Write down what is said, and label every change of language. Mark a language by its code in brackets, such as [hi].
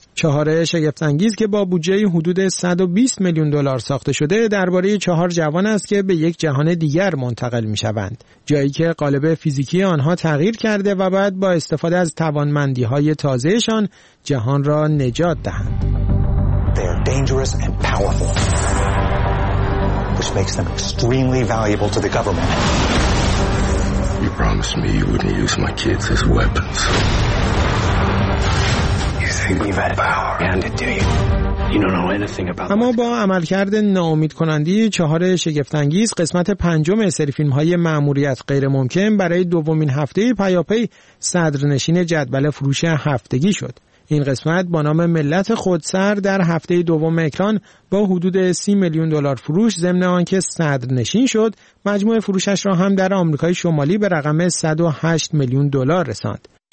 [fa] چهاره شگفت‌انگیز که با بودجه حدود 120 میلیون دلار ساخته شده درباره چهار جوان است که به یک جهان دیگر منتقل می‌شوند، جایی که قالب فیزیکی آنها تغییر کرده و بعد با استفاده از توانمندی‌های تازه‌شان جهان را نجات دهند. [en] They are dangerous and powerful, which makes them extremely valuable to the government. You promised me you wouldn't use my kids as weapons. [fa] اما با عملکرد ناامید کننده چهار شگفت‌انگیز، قسمت پنجم سری فیلم های ماموریت غیر ممکن برای دومین هفته پیاپی صدرنشین جدول فروش هفتگی شد. این قسمت با نام ملت خودسر در هفته دوم اکران با حدود 30 میلیون دلار فروش ضمن آنکه صدرنشین شد، مجموع فروشش را هم در آمریکای شمالی به رقم 108 میلیون دلار رساند.